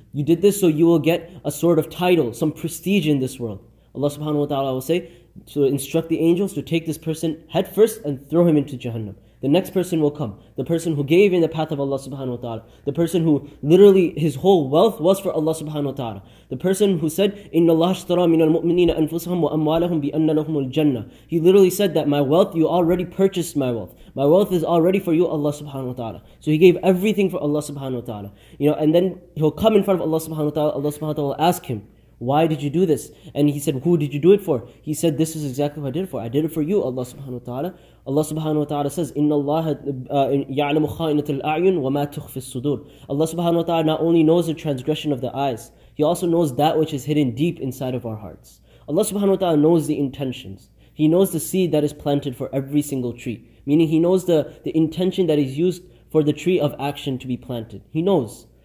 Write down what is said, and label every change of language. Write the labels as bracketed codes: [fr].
[en] You did this so you will get a sort of title, some prestige in this world. Allah subhanahu wa ta'ala will say, to instruct the angels to take this person head first and throw him into Jahannam. The next person will come. The person who gave in the path of Allah subhanahu wa ta'ala. The person who literally his whole wealth was for Allah subhanahu wa ta'ala. The person who said, [ar] إِنَّ اللَّهَ اشْتَرَى مِنَ الْمُؤْمِنِينَ أَنفُسَهُمْ وَأَمْوَالَهُمْ بِأَنَّ لَهُمُ الْجَنَّةِ. [en] He literally said that, my wealth, you already purchased my wealth. My wealth is already for you, Allah subhanahu wa ta'ala. So he gave everything for Allah subhanahu wa ta'ala. You know, and then he'll come in front of Allah subhanahu wa ta'ala. Allah subhanahu wa ta'ala will ask him, why did you do this? And he said, who did you do it for? He said, this is exactly what I did it for. I did it for you, Allah subhanahu wa ta'ala. Allah subhanahu wa ta'ala says, [ar] إِنَّ اللَّهَ يَعْلَمُ خَائِنَةَ الْأَعْيُنِ وَمَا تُخْفِي الصُّدُورِ. [en] Allah subhanahu wa ta'ala not only knows the transgression of the eyes, He also knows that which is hidden deep inside of our hearts. Allah subhanahu wa ta'ala knows the intentions. He knows the seed that is planted for every single tree. Meaning He knows the intention that is used for the tree of action to be planted. He knows.